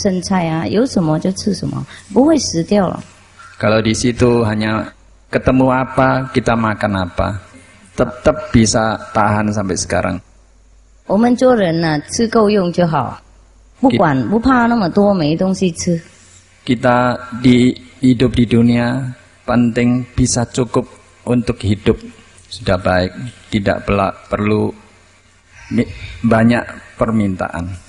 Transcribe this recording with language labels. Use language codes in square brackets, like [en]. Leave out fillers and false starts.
[zh] 有时候找到他们那个小的小人家小家的，再进去也许拿一点东西吃啊，不然的话自己要吃野菜啊或是剩菜啊，有什么就吃什么，不会死掉了。 [id] Kalau di situ hanya ketemu apa kita makan apa. Tetap bisa tahan sampai sekarang. [zh] 我们做人呢，吃够用就好，不管不怕那么多，没东西吃。 [id] Kita di hidup di dunia penting bisa cukup untuk hidup sudah baik, tidak perlu banyak permintaan.